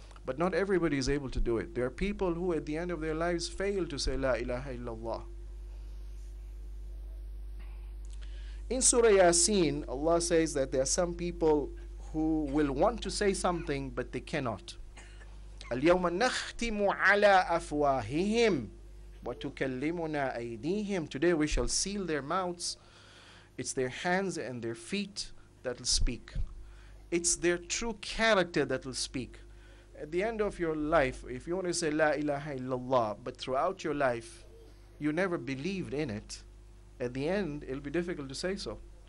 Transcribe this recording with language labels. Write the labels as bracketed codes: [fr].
[en] But not everybody is able to do it. There are people who at the end of their lives fail to say, La ilaha illallah. In Surah Yasin, Allah says that there are some people who will want to say something, but they cannot. [ar] اليوم نختم على أفواههم وتكلمنا أيديهم. [en] Today we shall seal their mouths. It's their hands and their feet that will speak. It's their true character that will speak. At the end of your life, if you want to say La ilaha illallah, but throughout your life you never believed in it, at the end it'll be difficult to say so.